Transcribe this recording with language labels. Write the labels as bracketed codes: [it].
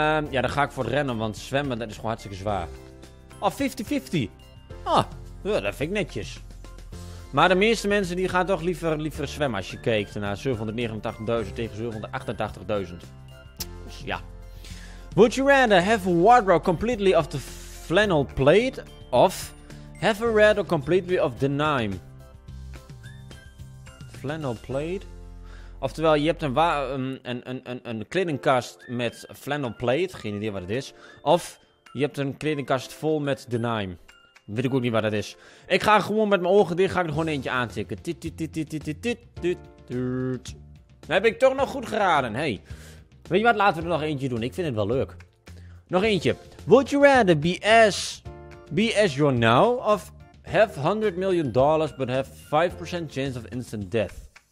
[nl] Ja, dan ga ik voor het rennen, want zwemmen dat is gewoon hartstikke zwaar. Oh, 50-50. Ah, dat vind ik netjes. Maar de meeste mensen die gaan toch liever zwemmen als je kijkt naar 789.000 tegen 788.000. Dus ja. [en] Would you rather have a wardrobe completely of the flannel plaid of have a wardrobe completely of denim? Flannel plaid? [nl] Oftewel, je hebt een kledingkast met flannel plaid, geen idee wat het is. Of je hebt een kledingkast vol met denim. Weet ik ook niet wat dat is. Ik ga gewoon met mijn ogen dicht, ga ik er gewoon eentje aantikken. Dan heb ik toch nog goed geraden, hey. Weet je wat, laten we er nog eentje doen. Ik vind het wel leuk. Nog eentje. [en] Would you rather be as you're now of have $100 million but have 5% chance of instant death?